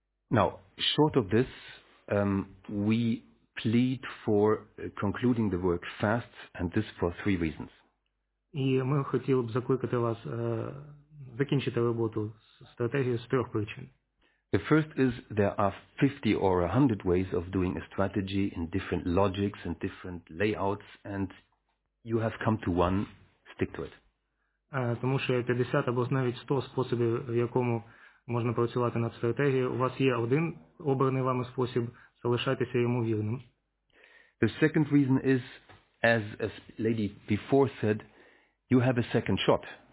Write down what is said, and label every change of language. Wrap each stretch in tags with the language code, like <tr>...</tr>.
<en>Now, short of this, we plead for concluding the work fast, and this for three reasons.</en> <uk>І ми хотіли б закликати вас закінчити роботу стратегії з трьох причин.</uk> <en>The first is there are 50 or 100 ways of doing a strategy in different logics and different layouts, and you have come to one, stick to it.</en> <uk>Тому що 50 або навіть 100 способів, в якому можна працювати над стратегією, у вас є один обраний вами спосіб, залишайтеся йому вірним.</uk> <en>The second reason is, as a lady before said, you have a second shot.</en>